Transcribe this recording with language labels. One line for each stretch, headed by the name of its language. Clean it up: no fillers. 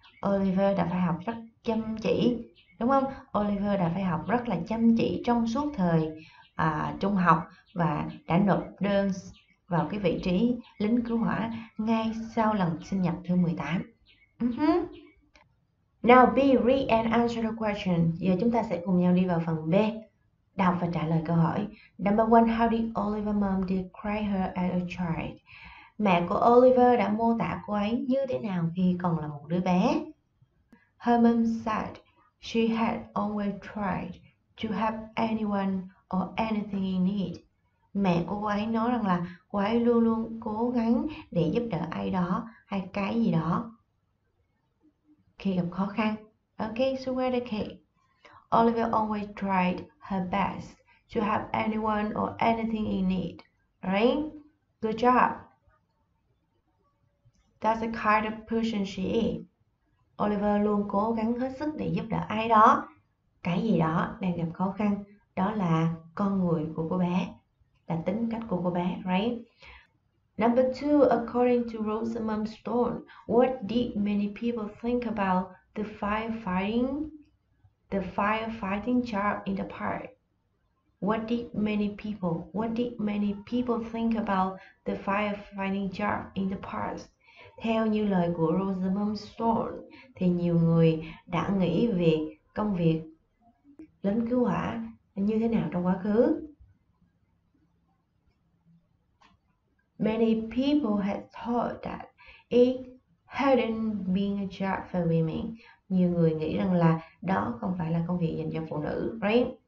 Vietnamese: Oliver đã phải học rất chăm chỉ, đúng không? Oliver đã phải học rất là chăm chỉ trong suốt thời trung học và đã nộp đơn vào cái vị trí lính cứu hỏa ngay sau lần sinh nhật thứ 18.
English: Now B, read and answer the question.
Vietnamese: Giờ chúng ta sẽ cùng nhau đi vào phần B. Đọc và trả lời câu hỏi.
English: Number 1, how did Oliver mom describe her as a child?
Vietnamese: Mẹ của Oliver đã mô tả cô ấy như thế nào khi còn là một đứa bé?
English: Her mom said she had always tried to help anyone or anything in need.
Vietnamese: Mẹ của cô ấy nói rằng là cô ấy luôn luôn cố gắng để giúp đỡ ai đó hay cái gì đó khi gặp khó khăn.
English: Ok, so where the key? Oliver always tried her best to help anyone or anything in need. Right? Good job. That's the kind of person she is.
Vietnamese: Oliver luôn cố gắng hết sức để giúp đỡ ai đó, cái gì đó đang gặp khó khăn. Đó là con người của cô bé, là tính cách của cô bé.
English: Right? Number 2, according to Rosamund Stone, what did many people think about the firefighting job in the park? What did many people think about the firefighting job in the past?
Vietnamese: Theo như lời của Rosamund Stone thì nhiều người đã nghĩ về công việc lính cứu hỏa như thế nào trong quá khứ.
English: Many people had thought that it hadn't been a job for women.
Vietnamese: Nhiều người nghĩ rằng là đó không phải là công việc dành cho phụ nữ, right?